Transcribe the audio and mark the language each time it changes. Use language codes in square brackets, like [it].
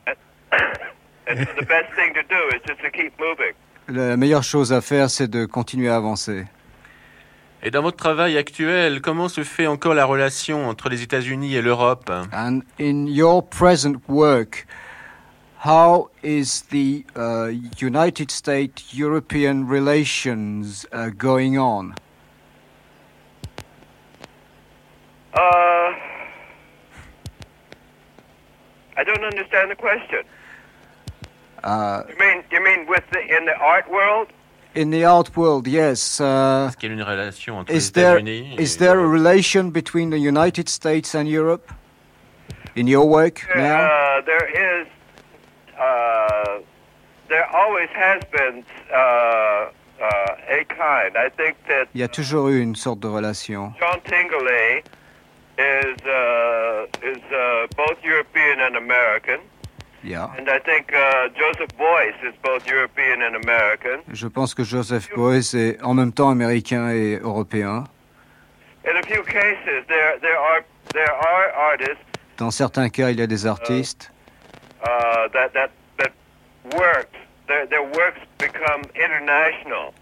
[en] And the best thing to do is just to keep moving. [fr] La meilleure chose à faire, c'est de continuer à avancer. Et dans votre travail actuel, comment se fait encore la relation entre les États-Unis et l'Europe? [en] And in your present work, how is the United States European relations going on? Uh, I don't understand the question. You mean in the art world? In the art world, yes. Is there a relation between the United States and Europe in your work now? There always has been a kind. I think that... [fr] Il y a toujours eu une sorte de relation. [en] John Tingley is both European and American. Yeah. And I think Joseph Beuys is both European and American. [fr] Je pense que Joseph Beuys est en même temps américain et européen. [en] In a few cases, there are artists. [fr] Dans certains cas, il y a des artistes. [en] That worked. Their works become international.